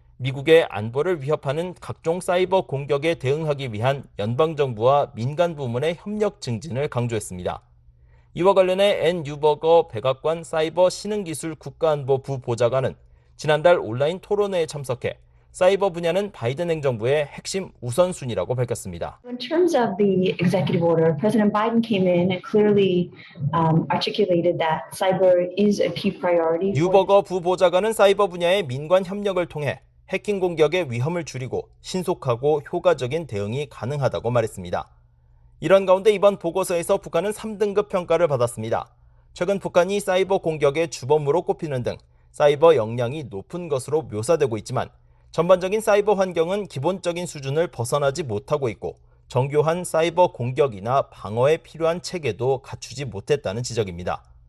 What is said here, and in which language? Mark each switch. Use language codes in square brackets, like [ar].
[ko] 미국의 안보를 위협하는 각종 사이버 공격에 대응하기 위한 연방정부와 민간 부문의 협력 증진을 강조했습니다. 이와 관련해 앤 뉴버거 백악관 사이버 신흥기술 국가안보부 보좌관은 지난달 온라인 토론회에 참석해 사이버 분야는 바이든 행정부의 핵심 우선순위라고 밝혔습니다. [en] In terms of the executive order, President Biden came in and clearly articulated that cyber is a key priority. [ko] 뉴버거 부보좌관은 사이버 분야의 민관 협력을 통해 해킹 공격의 위험을 줄이고 신속하고 효과적인 대응이 가능하다고 말했습니다. 이런 가운데 이번 보고서에서 북한은 3등급 평가를 받았습니다. 최근 북한이 사이버 공격의 주범으로 꼽히는 등 사이버 역량이 높은 것으로 묘사되고 있지만 전반적인 사이버 환경은 기본적인 수준을 벗어나지 못하고 있고 정교한 사이버 공격이나 방어에 필요한 체계도 갖추지 못했다는 지적입니다.